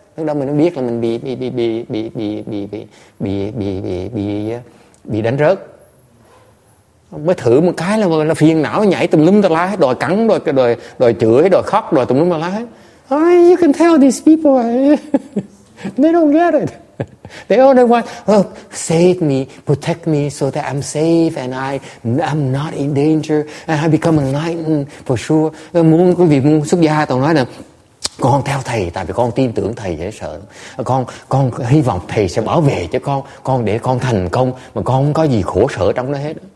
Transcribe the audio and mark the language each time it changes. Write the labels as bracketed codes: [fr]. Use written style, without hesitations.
[vi] Lúc đó mình biết là mình bị đánh rớt. Mới thử một cái là nó phiền não nhảy tùm lum tùm la, đòi cắn, đòi chửi, đòi khóc, đòi tùm lum tùm la. [en] You can tell these people they don't get it. They only want, save me, protect me so that I'm safe and I'm not in danger and I become enlightened for sure. [vi] Muốn quý vị muốn xuất gia, tôi nói là con theo thầy tại vì con tin tưởng thầy dễ sợ. Con hy vọng thầy sẽ bảo vệ cho con để con thành công mà con không có gì khổ sở trong đó hết.